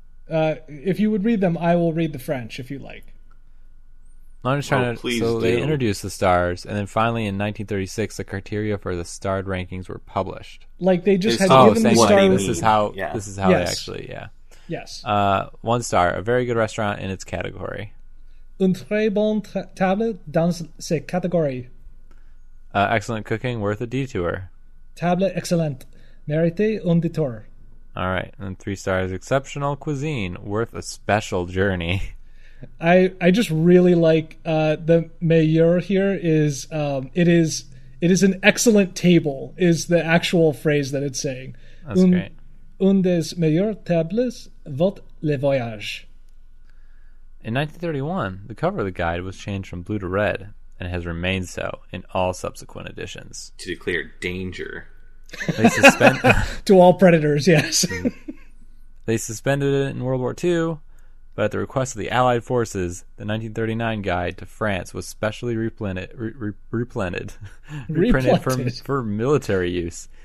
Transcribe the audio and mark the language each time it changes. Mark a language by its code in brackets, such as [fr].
[en] If you would read them, I will read the French, if you like. I'm just trying they introduced the stars, and then finally in 1936, the criteria for the starred rankings were published. Like, they just had given the star. This is how they actually. Yes. One star, a very good restaurant in its category. [fr] Un très bon table dans ses catégories. [en] Excellent cooking, worth a detour. [fr] Table excellent, mérite un détour. [en] All right, and 3 stars, exceptional cuisine, worth a special journey. I just really like the meilleur here is it is an excellent table is the actual phrase that it's saying. That's great. [fr] Un des meilleurs tables vaut le voyage. [en] In 1931, the cover of the guide was changed from blue to red and has remained so in all subsequent editions. To declare danger. They suspend to all predators, yes. They suspended it in World War II. But at the request of the Allied forces, the 1939 guide to France was specially reprinted for military use.